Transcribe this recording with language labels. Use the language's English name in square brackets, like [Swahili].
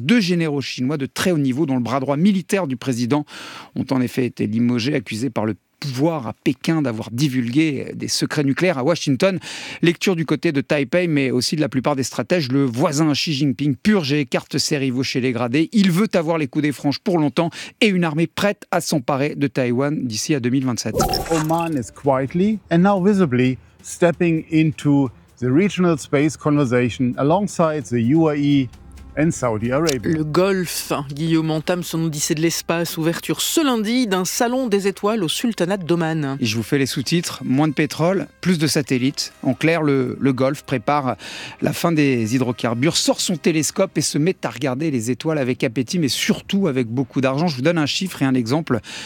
[French] Deux généraux chinois de très haut niveau, dont le bras droit militaire du président, ont en effet été limogés, accusés par le pouvoir à Pékin d'avoir divulgué des secrets nucléaires à Washington. Lecture du côté de Taipei, mais aussi de la plupart des stratèges. Le voisin Xi Jinping purge et écarte ses rivaux chez les gradés. Il veut avoir les coudées franches pour longtemps et une armée prête à s'emparer de Taïwan d'ici à 2027. [English] Oman est quietly and now visibly stepping into the regional space conversation alongside the UAE, and Saudi Arabia. [French] Le Golfe. Guillaume entame son odyssée de l'espace. Ouverture ce lundi d'un salon des étoiles au Sultanat d'Oman. Et je vous fais les sous-titres. Moins de pétrole, plus de satellites. En clair, le Golfe prépare la fin des hydrocarbures, sort son télescope et se met à regarder les étoiles avec appétit, mais surtout avec beaucoup d'argent. Je vous donne un chiffre et un exemple.